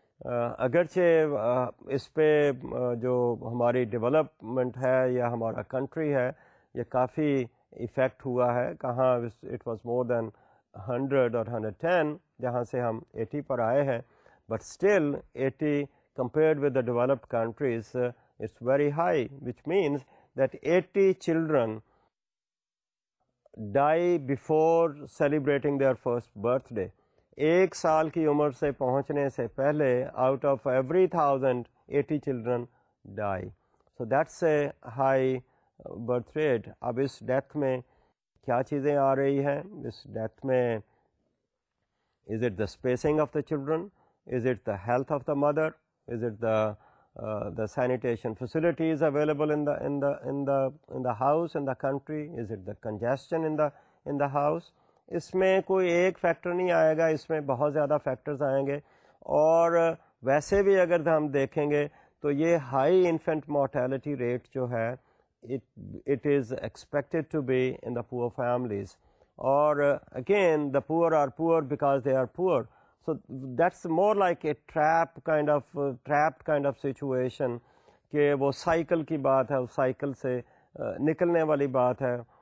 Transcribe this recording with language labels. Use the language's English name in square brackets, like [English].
[Urdu] اگرچہ اس پہ جو ہماری ڈیولپمنٹ ہے یا ہمارا کنٹری ہے یہ کافی افیکٹ ہوا ہے, [English] کہاں it was more than 100 or 110 [Urdu] جہاں سے ہم 80 پر آئے ہیں, [English] But still 80 compared with the developed countries it's very high, which means that 80 children die before celebrating their first birthday. [Urdu] ایک سال کی عمر سے پہنچنے سے پہلے [English] Out of every 1000 children die. So that's a high birth rate. [Urdu] اب اس death میں [English] کیا چیزیں آ رہی ہیں؟ اس ڈیتھ میں is it the spacing of the children, is it the health of the mother, is it the sanitation facilities available in the house in the country, is it the congestion in the house. [Urdu] اس میں کوئی ایک factor نہیں آئے گا, اس میں بہت زیادہ factors آئیں گے. اور ویسے بھی اگر ہم دیکھیں گے تو یہ ہائی انفینٹ مورٹیلٹی ریٹ جو ہے [English] It is expected to be in the poor families. اور again the poor are poor because they are poor, so that's more like a trapped kind of situation, [Urdu] کہ وہ cycle کی بات ہے, [English] اس سائیکل سے نکلنے والی بات ہے.